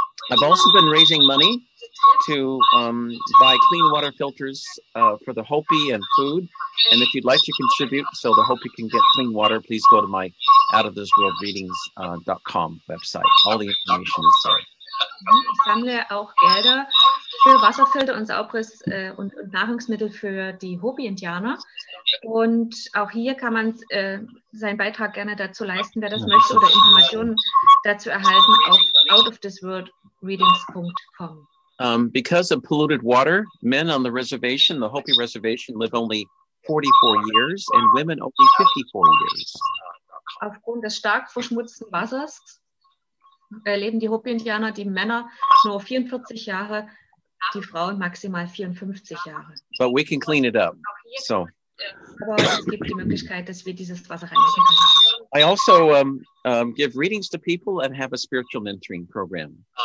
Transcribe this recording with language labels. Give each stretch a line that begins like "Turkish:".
English: I've also been raising money to buy clean water filters for the Hopi and food. And if you'd like to contribute so the Hopi can get clean water, please go to my outofthisworldreadings.com website. All the information is there.
German: Ich sammle auch Gelder für Wasserfilter und Saubres und Nahrungsmittel für die Hopi-Indianer. Und auch hier kann man seinen Beitrag gerne dazu leisten, wer das möchte, oder Informationen dazu erhalten auf outofthisworldreadings.com.
English: Because of polluted water, men on the reservation, the Hopi reservation, live only 44 years and women only 54 years.
German: Aufgrund des stark verschmutzten Wassers leben die Hopi-Indianer, die Männer, nur 44 Jahre, die Frauen maximal 54 Jahre.
English: But we can clean it up. So.
German: Aber es gibt die Möglichkeit, dass wir dieses Wasser reinigen können.
English: I also give readings to people and have a spiritual mentoring program.